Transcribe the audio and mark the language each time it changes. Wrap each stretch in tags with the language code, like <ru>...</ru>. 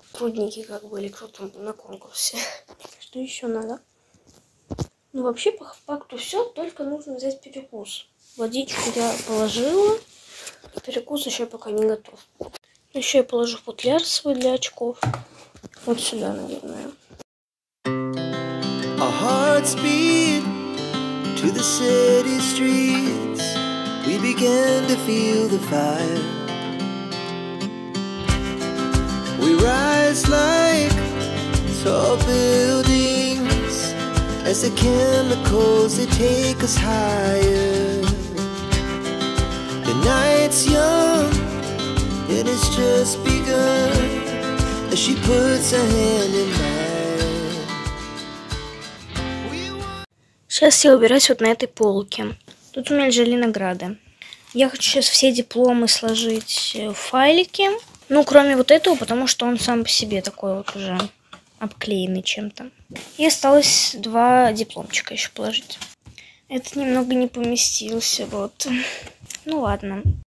<ru>Трудники как были круто на конкурсе. Что еще надо? Ну, вообще, по факту все, только нужно взять перекус. Водичку я положила, перекус еще пока не готов. Еще я положу футляр свой для очков. Вот сюда, наверное.</ru> <en>A heart's beat to the city streets. We began to feel the fire. We rise like tall buildings as the chemicals they take us higher. The night's young, it has just begun as she puts her hand in mine.</en> <ru>Сейчас я убираюсь вот на этой полке. Тут у меня лежали награды. Я хочу сейчас все дипломы сложить в файлики. Ну, кроме вот этого, потому что он сам по себе такой вот уже обклеенный чем-то. И осталось два дипломчика еще положить. Это немного не поместился, вот. Ну, ладно.</ru>